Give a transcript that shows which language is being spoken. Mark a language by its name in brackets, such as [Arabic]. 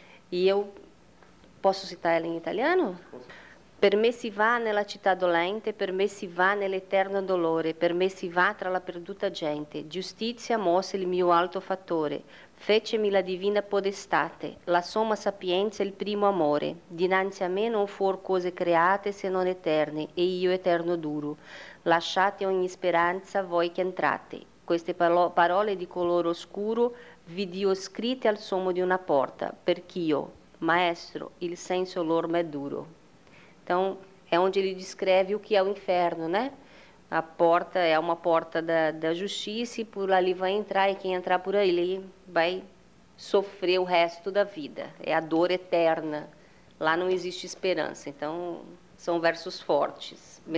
[Portuguese] E eu posso citar ela em italiano? [Italian] Per me si va nella città dolente, per me si va nell'eterno dolore, per me si va tra la perduta gente, giustizia mosse il mio alto fattore, fecemi la divina podestate, la somma sapienza il primo amore, dinanzi a me non fuor cose create se non eterne, e io eterno duro, lasciate ogni speranza voi che entrate. Queste parole di colore oscuro vi dio scritte al sommo di una porta, perch'io, maestro, il senso lor m'è duro. [Portuguese] Então, é onde ele descreve o que é o inferno, né? A porta é uma porta da justiça e por ali vai entrar, e quem entrar por ali vai sofrer o resto da vida. É a dor eterna. Lá não existe esperança. Então, são versos fortes.